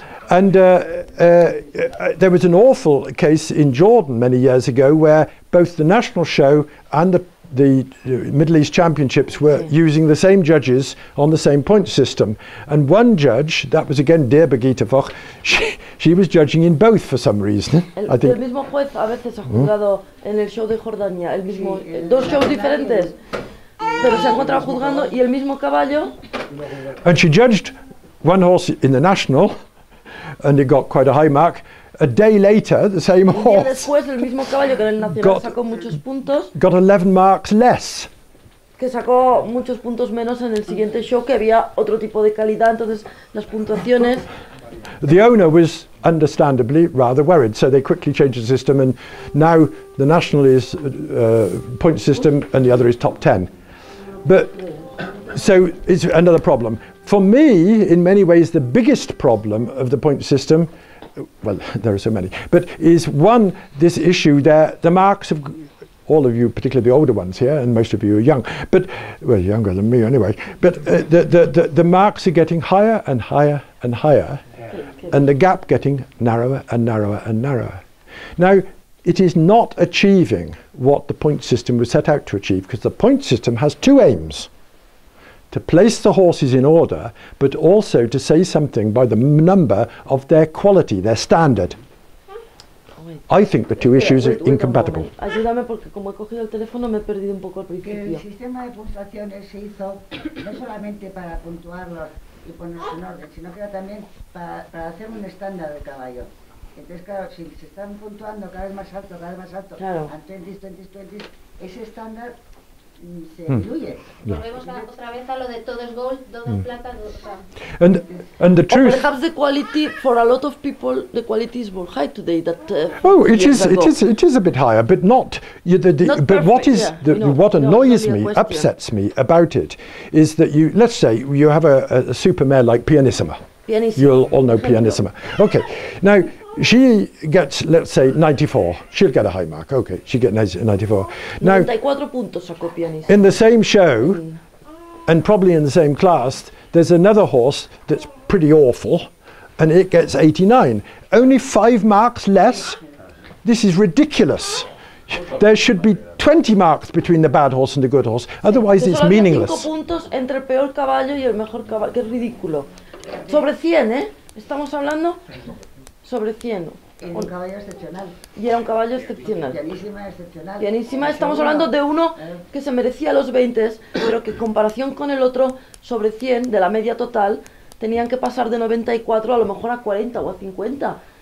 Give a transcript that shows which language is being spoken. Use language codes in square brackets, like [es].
[en] And there was an awful case in Jordan many years ago where both the national show and the Middle East Championships were using the same judges on the same point system. And one judge, that was again dear Birgitte Voch, she was judging in both for some reason. [es] El mismo juez a veces ha juzgado en el show de Jordania, el mismo, dos shows diferentes, pero se ha encontrado juzgando y el mismo caballo. [en] And she judged one horse in the national, and it got quite a high mark. A day later, the same horse [es] después, el mismo caballo, que el nacional, sacó muchos puntos, [en] got 11 marks less. [es] Que sacó muchos puntos menos en el siguiente show, que había otro tipo de calidad, entonces las puntuaciones. [en] The owner was understandably rather worried, so they quickly changed the system, and now the national is point system, and the other is top 10. But so it's another problem. For me, in many ways, the biggest problem of the point system, well, there are so many, but is one, this issue that the marks of all of you, particularly the older ones here, and most of you are young, but, well, younger than me anyway, but the marks are getting higher and higher and higher, and the gap getting narrower and narrower and narrower. Now, it is not achieving what the point system was set out to achieve, because the point system has two aims: to place the horses in order, but also to say something by the number of their quality, their standard. I think the two issues are incompatible. [es] Ayúdame, porque como he cogido el teléfono me he perdido un poco al principio. El sistema de puntuaciones se hizo no solamente para puntuarlos y ponerlos en orden, sino que era también para hacer un estándar del caballo. Entonces, claro, si se están puntuando cada vez más alto, claro, a 20, 20, 20, ese estándar se diluye. Volvemos otra vez a lo de todo es gold, todo es plata, todo es plata. [en] And the truth, or perhaps the quality for a lot of people, the quality is more high today. That oh, it is, ago. it is a bit higher, but not. upsets me about it, is that you, let's say you have a super mare like Pianissima. Pianissima. You'll all know Pianissima. Okay, now she gets, let's say, 94. She'll get a high mark. Okay, she gets 94. Now, in the same show, and probably in the same class, there's another horse that's pretty awful, and it gets 89. Only 5 marks less? This is ridiculous. There should be 20 marks between the bad horse and the good horse. Otherwise, it's meaningless. [es] Cinco puntos entre el peor caballo y el mejor caballo. Qué ridículo. Sobre 100, ¿eh? Estamos hablando... Sobre 100. Y era un caballo excepcional. Y era un caballo excepcional. Pianísima, excepcional. Pianísima, estamos hablando de uno que se merecía los 20, pero que en comparación con el otro, sobre 100, de la media total, tenían que pasar de 94 a lo mejor a 40 o a 50.